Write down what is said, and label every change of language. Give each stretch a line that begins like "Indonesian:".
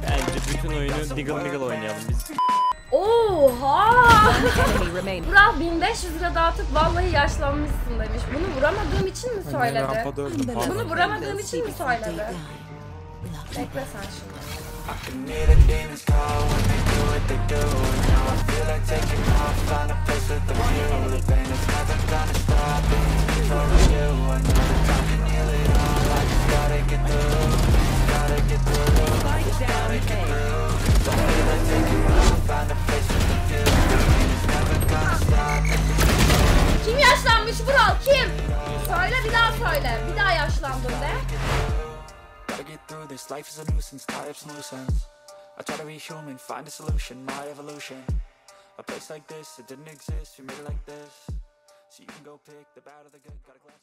Turkish: Bence bütün oyunu Diggle Miggle oynayalım biz. Oha! Burak 1500 lira dağıtıp vallahi yaşlanmışsın demiş. Bunu vuramadığım için mi söyledi? Hani rampada öldüm. Bunu vuramadığım için mi söyledi? Bekle sen şimdi.
English: I can hear the demons call when they do what they do. And now I feel like taking off, find a place with a view. The pain is never gonna stop, it's controlling you. I know the time can heal it all, I just gotta get through. Just gotta get through, I just gotta get through. I feel like taking off, find a place with a view. The pain is never gonna stop.
Turkish: Kim yaşlanmış Vural, kim? Söyle, bir daha söyle, bir daha yaşlandın de.
English: This life is a nuisance, tie up some loose ends. I try to be human, find a solution, my evolution. A place like this, it didn't exist, you made it like this. So you can go pick the bad or the good, got a glass.